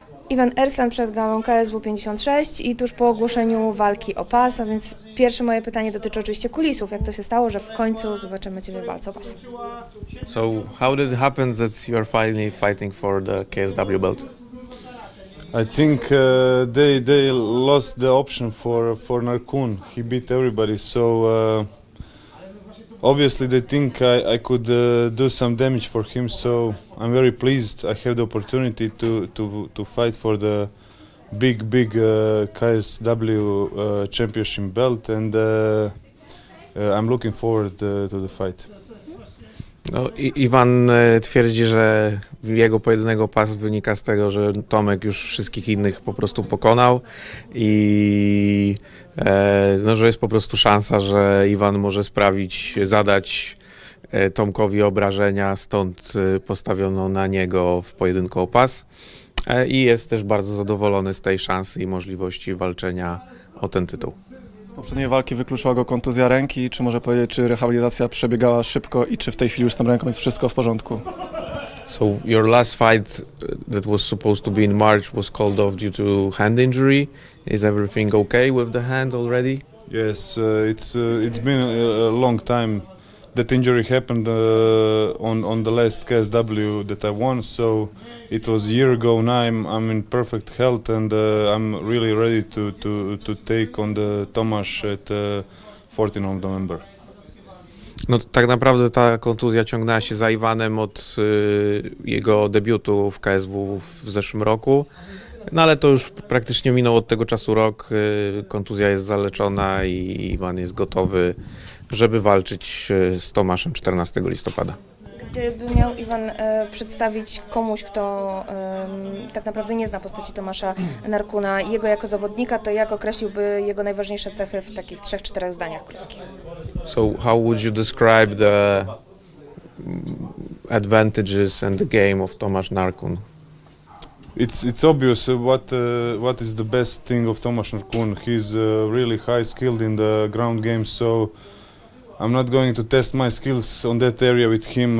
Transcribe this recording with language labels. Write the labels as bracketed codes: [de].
[pl] Iwan Erslan przed galą KSW 56 i tuż po ogłoszeniu walki o pas, a więc pierwsze moje pytanie dotyczy oczywiście kulisów. Jak to się stało, że w końcu zobaczymy Ciebie w walce o pas? [en] So, how did it happen that you are finally fighting for the KSW belt? I think they lost the option for Narkun. He beat everybody, so obviously they think I could do some damage for him, so I'm very pleased I have the opportunity to fight for the big KSW championship belt, and I'm looking forward to the fight. [pl] No, Iwan twierdzi, że jego pojedynego pas wynika z tego, że Tomek już wszystkich innych po prostu pokonał i no, że jest po prostu szansa, że Iwan może sprawić, zadać Tomkowi obrażenia, stąd postawiono na niego w pojedynku o pas i jest też bardzo zadowolony z tej szansy i możliwości walczenia o ten tytuł. Z poprzedniej walki wykluczyła go kontuzja ręki. Czy może powiedzieć, czy rehabilitacja przebiegała szybko i czy w tej chwili już z tą ręką jest wszystko w porządku? [en] So your last fight that was supposed to be in March was called off due to hand injury. Is everything okay with the hand already? Yes, it's been a long time that injury happened on the last KSW that I won. So it was a year ago. Now I'm in perfect health and I'm really ready to take on the Tomasz at 14 November. [pl] No tak naprawdę ta kontuzja ciągnęła się za Iwanem od jego debiutu w KSW w zeszłym roku. No ale to już praktycznie minął od tego czasu rok. Kontuzja jest zaleczona i Iwan jest gotowy, żeby walczyć z Tomaszem 14 listopada. Gdyby miał Iwan przedstawić komuś, kto tak naprawdę nie zna postaci Tomasza Narkuna, jego jako zawodnika, to jak określiłby jego najważniejsze cechy w takich 3-4 zdaniach krótkich? [en] So how would you describe the advantages and the game of Tomasz Narkun? It's obvious what is the best thing of Tomasz Narkun. He's really high skilled in the ground game, so I'm not going to test my skills on that area with him.